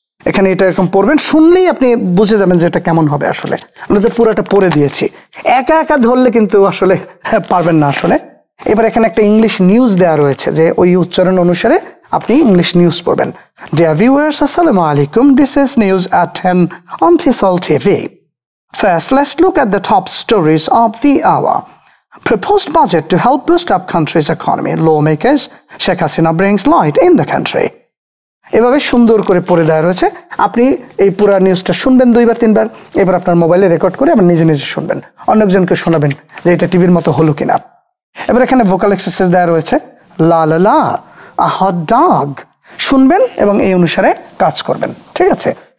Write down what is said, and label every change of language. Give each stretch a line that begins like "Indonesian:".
Bangla: এখানে এটা এরকম পড়বেন, শুনলেই আপনি বুঝে যাবেন যে এটা কেমন হবে আসলে। আমি তো পুরোটা পড়ে দিয়েছি, একা একা ধরলে কিন্তু আসলে পারবেন না আসলে। এবার এখানে একটা ইংলিশ নিউজ দেওয়া রয়েছে, যে ওই উচ্চারণ অনুসারে আপনি ইংলিশ নিউজ পড়বেন,
English: Dear viewers আসসালামু আলাইকুম, this is news at 10 on টেসল TV. First, let's look at the top stories of the hour. Proposed budget to help boost up country's economy. Lawmakers, Sheikh Hasina brings light in the country.
Bangla: এভাবে সুন্দর করে পড়ে দেওয়া রয়েছে, আপনি এই পুরো নিউজটা শুনবেন দুইবার তিনবার, এবার আপনার মোবাইলে রেকর্ড করে আবার নিজে নিজে শুনবেন, অন্যজনকে শোনাবেন যে এটা টিভির মতো হলো কিনা। এবার এখানে ভোকাল এক্সারসাইজ দেওয়া রয়েছে, লা লা লা, আ হট ডগ, শুনবেন এবং এই অনুসারে কাজ করবেন, ঠিক আছে।